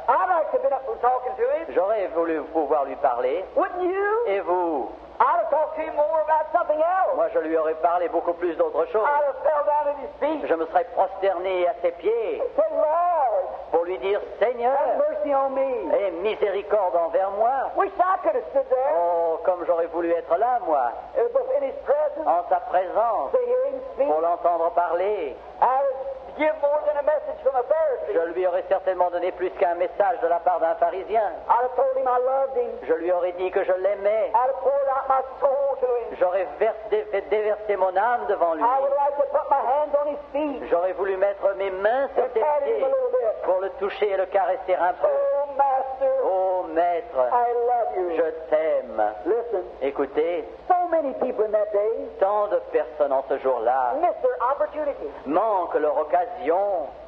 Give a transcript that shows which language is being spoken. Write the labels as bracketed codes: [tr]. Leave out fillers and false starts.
[en] I'd like to have been up and talking to him. [fr] J'aurais voulu pouvoir lui parler. [en] Wouldn't you? [fr] Et vous? [en] I'd have talked to him more about something else. [fr] Moi, je lui aurais parlé beaucoup plus d'autre chose. [en] I'd have fell down at his feet. [fr] Je me serais prosterné à ses pieds. [en] Say, Lord, [fr] pour lui dire, Seigneur, [en] have mercy on me. [fr] Et miséricorde envers moi. [en] Wish I could have stood there. [fr] Oh, comme j'aurais voulu être là, moi. [en] In his presence. [fr] En sa présence. [en] To hear him speak. [fr] Pour l'entendre parler. [en] Give more than a message from a Pharisee. [fr] Je lui aurais certainement donné plus qu'un message de la part d'un pharisien. [en] I'd have told him I loved him. [fr] Je lui aurais dit que je l'aimais. [en] I'd have poured out my soul to him. [fr] J'aurais déversé mon âme devant lui. [en] I would like to put my hands on his feet. [fr] J'aurais voulu mettre mes mains sur ses pieds pour le toucher et le caresser un peu. [en] Oh, master, [fr] oh maître, [en] I love you. [fr] Je t'aime. [en] Listen. [fr] Écoutez. [en] So many people in that day. [fr] Tant de personnes en ce jour-là. [en] Miss their opportunity. [fr] Manque leur occasion.